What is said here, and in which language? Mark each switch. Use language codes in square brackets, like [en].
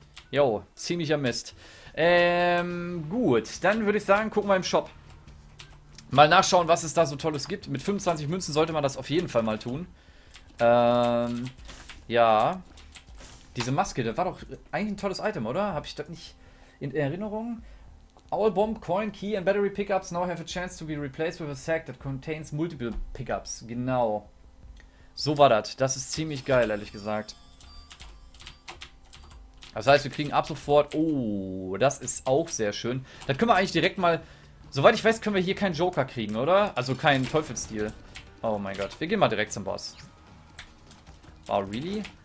[de] Jo, ziemlicher Mist. Gut, dann würde ich sagen, gucken wir im Shop. Mal nachschauen, was es da so Tolles gibt. Mit 25 Münzen sollte man das auf jeden Fall mal tun. Ja. Diese Maske, das war doch eigentlich ein tolles Item, oder? Habe ich das nicht in Erinnerung? [en] All Bomb, Coin, Key and Battery Pickups now have a chance to be replaced with a sack that contains multiple Pickups. [de] Genau. So war das. Das ist ziemlich geil, ehrlich gesagt. Das heißt, wir kriegen ab sofort. Oh, das ist auch sehr schön. Dann können wir eigentlich direkt mal. Soweit ich weiß, können wir hier keinen Joker kriegen, oder? Also keinen Teufelsdeal. Oh mein Gott. Wir gehen mal direkt zum Boss. [en] Oh, really?